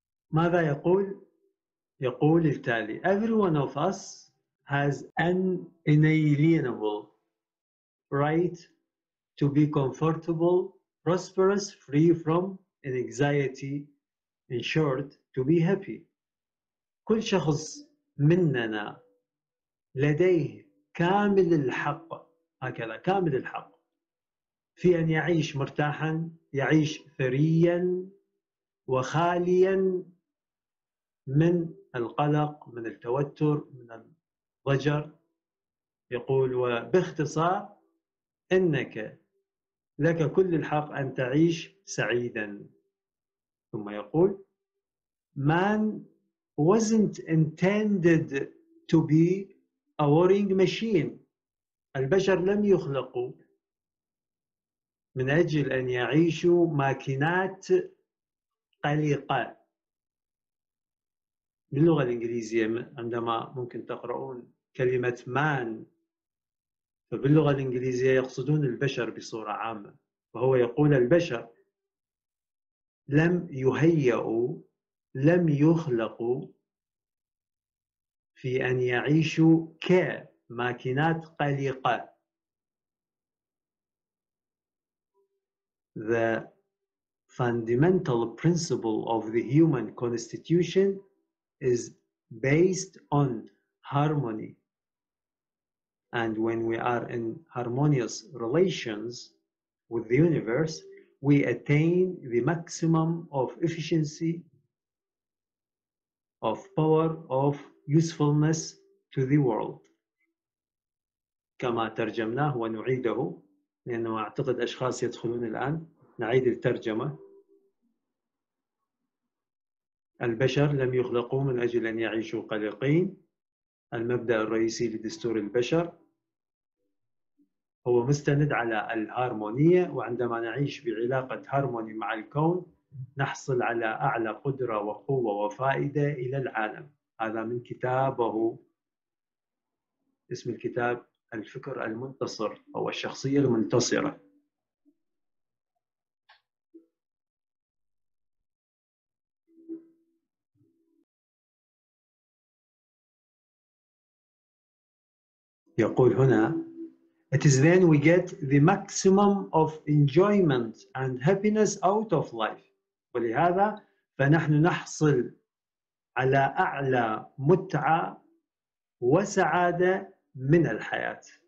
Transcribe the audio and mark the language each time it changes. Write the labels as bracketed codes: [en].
[ar] ماذا يقول؟ يقول التالي: [en] Every one of us has an inalienable right to be comfortable, prosperous, free from anxiety, in short, to be happy. [ar] كل شخص مننا لديه كامل الحق، هكذا، كامل الحق في أن يعيش مرتاحا، يعيش ثريا وخاليا من القلق، من التوتر، من الضجر. يقول: وباختصار، إنك لك كل الحق أن تعيش سعيدا. ثم يقول: [en] Man wasn't intended to be a warring machine. [ar] البشر لم يخلقوا من أجل أن يعيشوا ماكينات قلقة. باللغة الإنجليزية عندما ممكن تقرؤون كلمة man، فباللغة الإنجليزية يقصدون البشر بصورة عامة. وهو يقول: البشر لم يهيئوا، لم يخلقوا في أن يعيشوا كماكينات قلقة. [en] The fundamental principle of the human constitution is based on harmony. And when we are in harmonious relations with the universe, we attain the maximum of efficiency, of power, of usefulness to the world. [ar] كما ترجمناه ونعيده، لأنه أعتقد أشخاص يدخلون الآن، نعيد الترجمة. البشر لم يخلقوا من أجل أن يعيشوا قلقين. المبدأ الرئيسي لدستور البشر هو مستند على الهارمونية، وعندما نعيش بعلاقة هارموني مع الكون نحصل على أعلى قدرة وقوة وفائدة إلى العالم. هذا من كتابه، اسم الكتاب الفكر المنتصر أو الشخصية المنتصرة. يقول هنا: [en] It is then we get the maximum of enjoyment and happiness out of life. [ar] ولهذا فنحن نحصل على أعلى متعة وسعادة من الحياة.